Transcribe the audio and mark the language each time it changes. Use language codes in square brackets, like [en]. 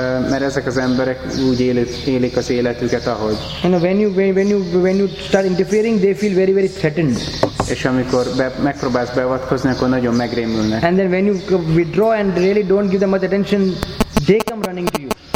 [hu] Mert ezek az emberek úgy élik az életüket, ahogy. [en] And when you start interfering, they feel very very threatened. [hu] És amikor megpróbálsz beavatkozni, akkor nagyon megrémülnek. [en] And then when you withdraw and really don't give them much attention, they come running to you.